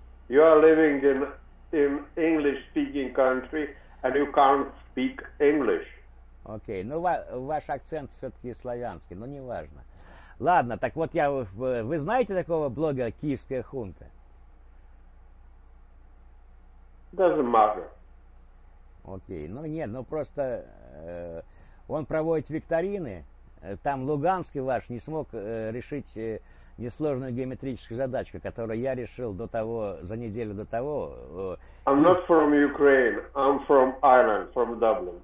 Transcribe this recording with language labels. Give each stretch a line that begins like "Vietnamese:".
English: You are living in English speaking country and you can't speak English.
Russian: Okay, ну ваш акцент все-таки славянский, но не важно. Ладно, так вот вы знаете такого блога «Киевская хунта»?
English: Doesn't matter.
Russian: Окей, ну нет, ну просто он проводит викторины, там Луганский ваш не смог решить несложную геометрическую задачку, которую я решил до того, за неделю до того.
English: I'm not from Ukraine, I'm from Ireland, from Dublin.